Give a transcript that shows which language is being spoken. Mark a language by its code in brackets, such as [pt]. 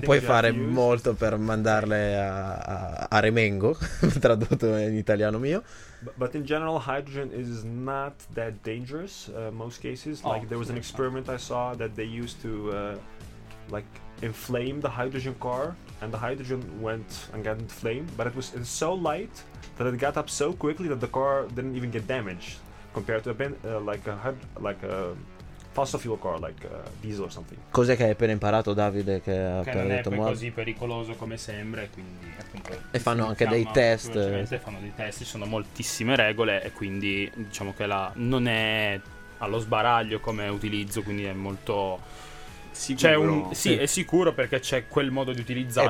[it] non puoi fare molto per mandarle a Remengo, tradotto in italiano mio. [en] But in general, hydrogen is not that dangerous most cases. Oh, like there was an experiment I saw that they used to like inflame the hydrogen car, and the hydrogen went and got inflamed, but it was so light that it got up so quickly that the car didn't even get damaged compared to a like a fossil fuel car, like diesel or something. [it] Cos'è che hai appena imparato, Davide? Che ha che non detto è così pericoloso come sembra, e quindi appunto. E fanno anche dei test. Fanno dei test, ci sono moltissime regole, e quindi diciamo che non è allo sbaraglio come utilizzo, quindi è molto sicuro. C'è un, sì, è sicuro perché c'è quel modo di utilizzarlo.